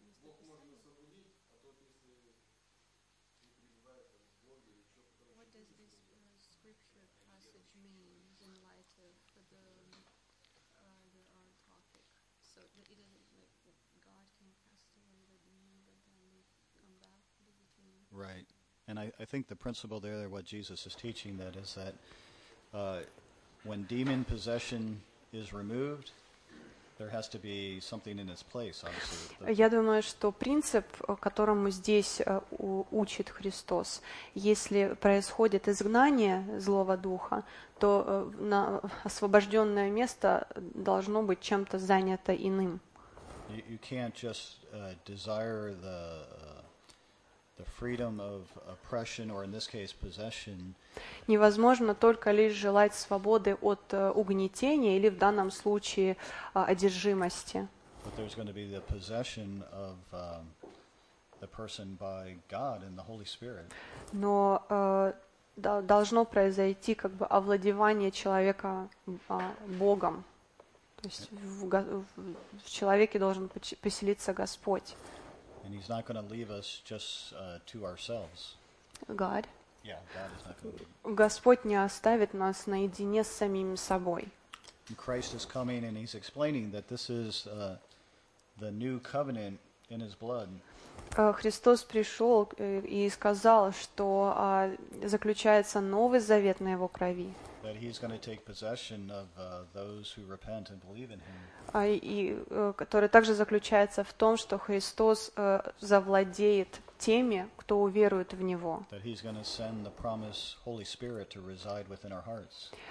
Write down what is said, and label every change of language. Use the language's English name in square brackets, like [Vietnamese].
[Russian] Бог можно соблюдить, а то если не призывает Бога или что-то. [English] What does this scripture passage mean in light of the our topic? So that it doesn't like that God can cast away the demon, but then they come back. What does it mean? Right, and I think the principle there, what Jesus is teaching, that is that when demon possession is removed, there has to be something in its place, obviously. [Russian] Я думаю, что принцип, которому здесь учит Христос, если происходит изгнание злого духа, то на освобожденное место должно быть чем-то занято иным. [English] You can't just desire the freedom of oppression, or in this case, possession. [Russian] Невозможно только лишь желать свободы от угнетения или в данном случае одержимости. [English] But there's going to be the possession of the person by God and the Holy Spirit. [Russian] Но должно произойти как бы овладевание человека Богом. То есть в человеке должен поселиться Господь. [English] And he's not going to leave us just to ourselves. God. Yeah, God is not going to leave. [Russian] Господь не оставит нас наедине с самим собой. [English] And Christ is coming and he's explaining that this is the new covenant in his blood. [Russian] Христос пришел и сказал, что заключается новый завет на его крови. [English] That he's going to take possession of those who repent and believe in him. [Russian] И который также заключается в том, что Христос завладеет теми, кто уверует в Него. [English] That he's going to send the promised Holy Spirit to reside within our hearts.